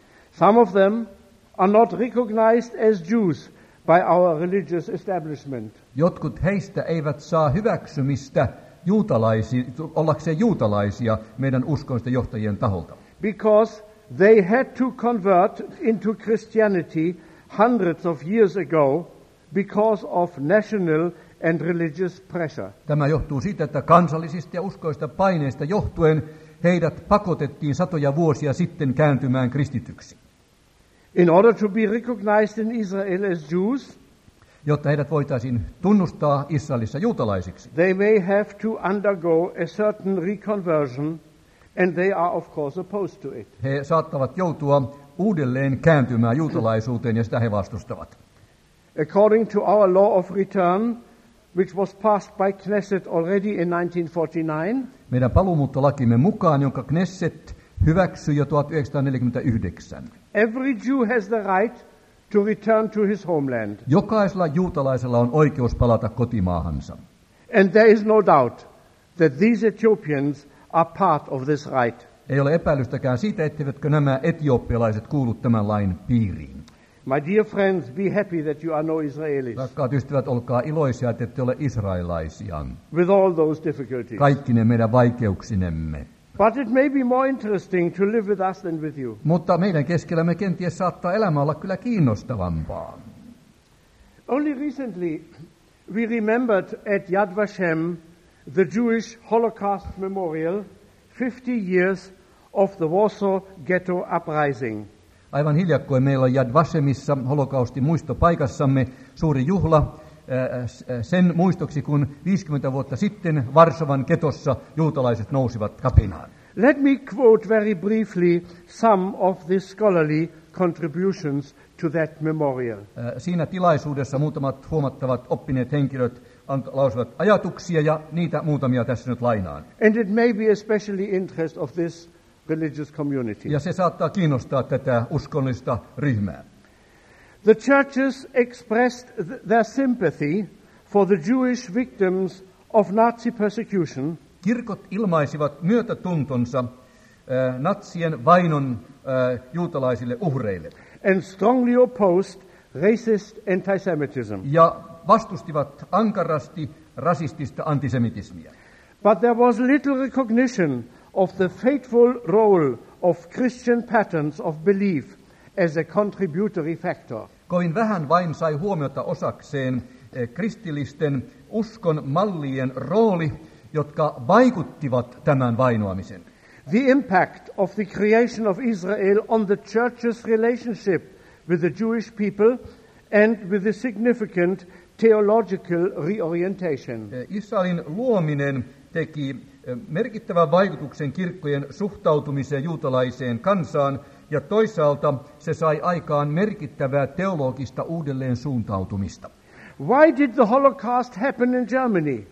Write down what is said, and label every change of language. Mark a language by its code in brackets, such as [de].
[en] Some of them are not recognized as Jews by our religious establishment. [fi] Jotkut heistä eivät saa hyväksymistä ollakseen juutalaisia meidän uskonnollisten johtajien taholta. [en] Because they had to convert into Christianity hundreds of years ago because of national and religious pressure. [fi] Tämä johtuu siitä, että kansallisista ja uskoista paineista johtuen heidät pakotettiin satoja vuosia sitten kääntymään kristityksi. [en] In order to be recognized in Israel as Jews, [fi] jotta heidät voitaisiin tunnustaa Israelissa juutalaisiksi, [en] they may have to undergo a certain reconversion. And they are of course opposed to it. [fi] He saattavat joutua uudelleen kääntymään juutalaisuuteen ja sitä he vastustavat. [en] According to our law of return, which was passed by Knesset already in 1949, [fi] meidän paluumuuttolakimme mukaan, jonka Knesset hyväksyi jo 1949, [en] every Jew has the right to return to his homeland. [fi] Jokaisella juutalaisella on oikeus palata kotimaahansa. [en] And there is no doubt that these Ethiopians are part of this right. [fi] Ei ole epäilystäkään siitä, etteivätkö nämä etiopialaiset kuulu tämän lain piiriin. [en] My dear friends, be happy that you are no Israelis. [fi] Rakkaat ystävät, olkaa iloisia, että ette ole israelaisia. [en] With all those difficulties. [fi] Kaikki ne meidän vaikeuksinemme. [en] But it may be more interesting to live with us than with you. [fi] Mutta meidän keskellämme kenties saattaa elämä olla kyllä kiinnostavampaa. [en] Only recently we remembered at Yad Vashem the Jewish Holocaust Memorial, 50 years of the Warsaw Ghetto Uprising. [fi] Aivan hiljakkoin meillä on Yad Vashemissa holokaustin muistopaikassamme suuri juhla sen muistoksi, kun 50 vuotta sitten Varsovan ketossa juutalaiset nousivat kapinaan. [en] Let me quote very briefly some of the scholarly contributions to that memorial. [fi] Siinä tilaisuudessa muutamat huomattavat oppineet henkilöt lausivat ajatuksia, ja niitä muutamia tässä nyt lainaan. [en] And it may be especially interest of this religious community. [fi] Ja se saattaa kiinnostaa tätä uskonnollista ryhmää. [en] The churches expressed their sympathy for the Jewish victims of Nazi persecution. [fi] Kirkot ilmaisivat myötätuntonsa natsien vainon juutalaisille uhreille. [en] And strongly opposed racist antisemitism. [fi] Ja vastustivat ankarasti rasistista antisemitismiä. [en] But there was little recognition of the fateful role of Christian patterns of belief as a contributory factor. [fi] Kovin vähän vain sai huomiota osakseen kristillisten uskon mallien rooli, jotka vaikuttivat tämän vainoamisen. [en] The impact of the creation of Israel on the church's relationship with the Jewish people and with the significant theological reorientation. [fi] Israelin luominen teki merkittävän vaikutuksen kirkkojen suhtautumiseen juutalaiseen kansaan, ja toisaalta se sai aikaan merkittävää teologista uudelleen suuntautumista. [en] Why did the Holocaust happen in Germany?